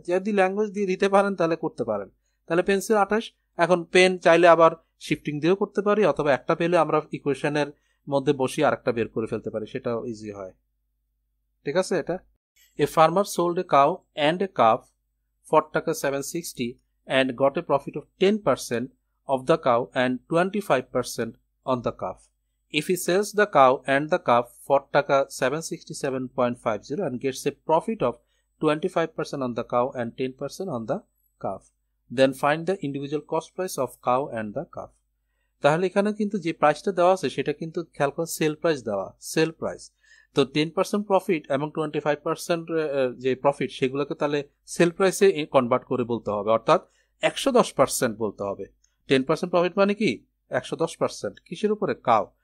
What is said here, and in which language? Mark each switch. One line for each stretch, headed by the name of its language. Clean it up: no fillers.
Bangla: যদি ল্যাঙ্গুয়েজ দিয়ে দিতে পারেন তাহলে করতে পারেন, তাহলে পেন্সিল 28, এখন পেন চাইলে আবার শিফটিং দিয়েও করতে পারি, অথবা একটা পেলে আমরা ইকুয়েশনের মধ্যে বসিয়ে আর একটা বের করে ফেলতে পারি, সেটাও ইজি হয়। ঠিক আছে?
English: এটা a farmer sold a cow and a calf for টাকা 760 and got a profit of 10% of the cow and 25% on the calf. If he sells the cow and the calf for ₹767.50 and gets a profit of 25% on the cow and 10% on the calf, then find the individual cost price of cow and the calf.
Bangla: তাহলে এখানে কিন্তু যে প্রাইসটা দেওয়া আছে সেটা কিন্তু খেয়াল করে সেল প্রাইস দেওয়া, সেল প্রাইস। তো 10% প্রফিট এবং 25% যে প্রফিট সেগুলোকে তাহলে সেল প্রাইসে কনভার্ট করে বলতে হবে, অর্থাৎ 110% বলতে হবে। 10% প্রফিট মানে কি? 110% কিসের উপরে? কাউ।